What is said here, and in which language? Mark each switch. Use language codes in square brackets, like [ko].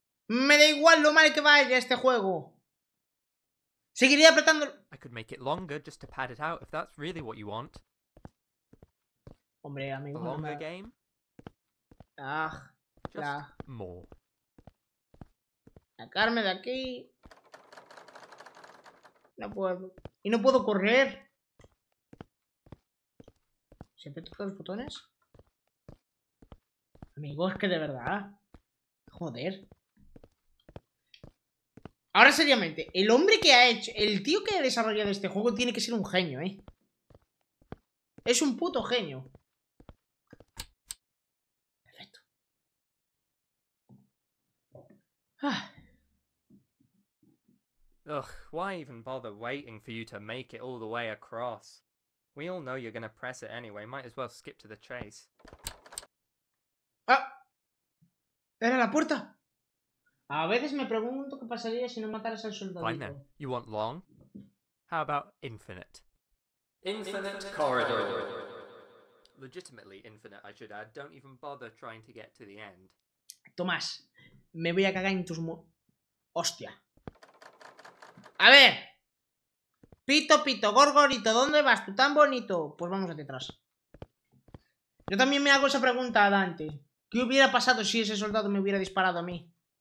[es] Me da igual lo mal que vaya este juego. Seguiría apretando. [en] I could make it longer just to pad it out if that's really what you want. [es] Hombre, amigo, [en] a longer game? Ah, just [es] la... [en] more. [es] Sacarme de aquí. No puedo. Y no puedo correr. ¿Siempre toco los botones? Amigo, es que de verdad. Joder. Ahora seriamente, el hombre que ha hecho, el tío que ha desarrollado este juego tiene que ser un genio, ¿eh? Es un puto genio. Perfecto. Ah. [en] Ugh, why even bother waiting for you to make it all the way across? We all know you're gonna press it anyway, might as well skip to the chase. [es] Ah. Era la puerta. A veces me pregunto qué pasaría si no mataras al soldado. [en] Fine then. You want long? How about infinite? Infinite corridor. Legitimately infinite, I should add. Don't even bother trying to get to the end. [es] Tomás, me voy a cagar en tus mo... Hostia. A ver. Pito, pito, gorgorito, ¿dónde vas tú tan bonito? Pues vamos hacia atrás. Yo también me hago esa pregunta, Dante. ¿Qué hubiera pasado si ese soldado me hubiera disparado a mí?